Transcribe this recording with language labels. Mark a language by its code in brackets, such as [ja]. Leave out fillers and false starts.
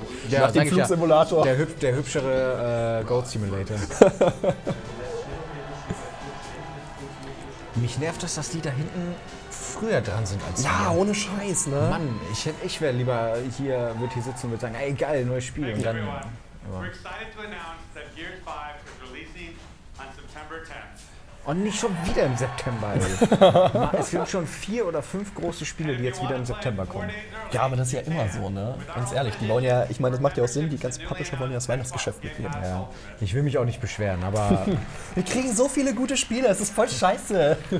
[de] Ja, nach dem Flugsimulator. Der hübschere Goat Simulator. Mich nervt das, dass die da hinten früher dran sind als ja, hier. Ohne Scheiß, ne? Mann, ich wäre lieber hier, würde hier sitzen und würde sagen, ey, geil, neues Spiel. Thank und dann. [en] We're excited to announce that Gears 5 is releasing on September 10th. [de] Und nicht schon wieder im September. Es gibt schon 4 oder 5 große Spiele, die jetzt wieder im September kommen. Ja, aber das ist ja immer so, ne? Ganz ehrlich, die wollen ja, ich meine, das macht ja auch Sinn, die ganzen Publisher wollen ja das Weihnachtsgeschäft mitnehmen. Ja. Ich will mich auch nicht beschweren, aber... Wir kriegen so viele gute Spiele, es ist voll scheiße.